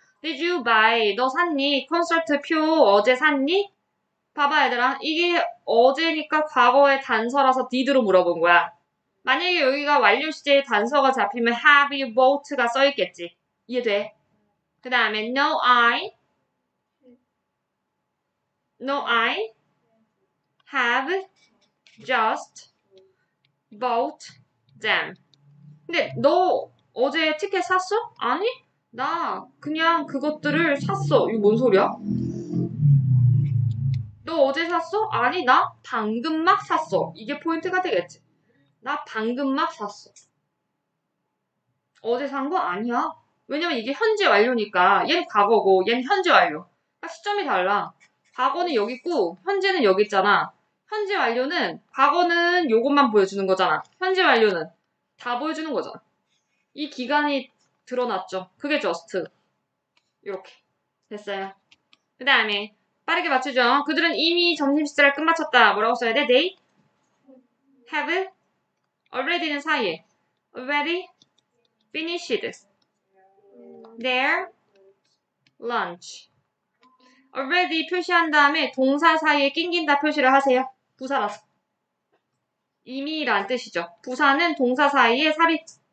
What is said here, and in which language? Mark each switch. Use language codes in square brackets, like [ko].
[en] Did you buy? [ko] 너 샀니? 콘서트 표 어제 샀니? 봐봐, 얘들아. 이게 어제니까 과거의 단서라서 did로 물어본 거야. 만약에 여기가 완료 시제의 단서가 잡히면 have you bought가 써있겠지. 이해돼? 그 다음에 no I. [en] No I have just bought them. [ko] 근데 너 어제 티켓 샀어? 아니? 나 그냥 그것들을 샀어. 이거 뭔 소리야? 너 어제 샀어? 아니, 나 방금 막 샀어. 이게 포인트가 되겠지. 나 방금 막 샀어. 어제 산거 아니야. 왜냐면 이게 현재 완료니까. 얘는 과거고, 얘는 현재 완료. 시점이 달라. 과거는 여기 있고, 현재는 여기 있잖아. 현재 완료는, 과거는 이것만 보여주는 거잖아. 현재 완료는 다 보여주는 거잖아. 이 기간이 드러났죠. 그게 just. 이렇게. 됐어요. 그 다음에, 빠르게 맞추죠. 그들은 이미 점심시절을 끝마쳤다. 뭐라고 써야 돼? [en] They have already는 [ko] 사이에. [en] Already finished their lunch. [ko] Already 표시한 다음에 동사 사이에 낑긴다 표시를 하세요. 부사라서. 이미란 뜻이죠. 부사는 동사 사이에 삽입.